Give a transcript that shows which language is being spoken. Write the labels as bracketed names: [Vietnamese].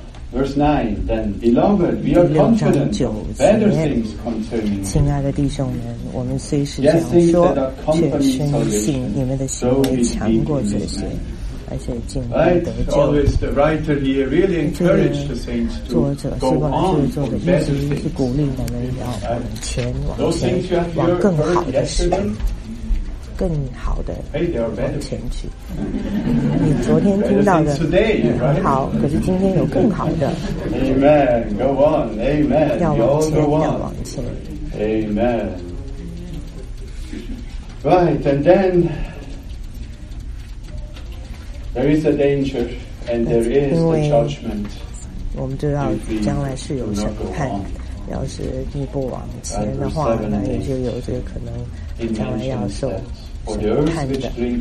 [English] Verse 9, then, beloved, we are confident better things concerning. [Chinese] 亲爱的弟兄们，我们虽是这样说，却深信你们的行为强过这些。而且尽力得救。 [English] Always the writer here really encouraged the saints to go on. [Chinese] 作者希望制作的意思是鼓励我们要前往前，往更好的事，更好的往前去。你昨天听到的很好，可是今天有更好的。 [English] Amen. Go on. Amen. [Chinese] 要往前，要往前。 [English] Amen. Right, and then. There is a danger, and there is the judgment. [Chinese] 我们知道将来是有审判。要是你不往前的话，那也就有这个可能，将来要受审判的。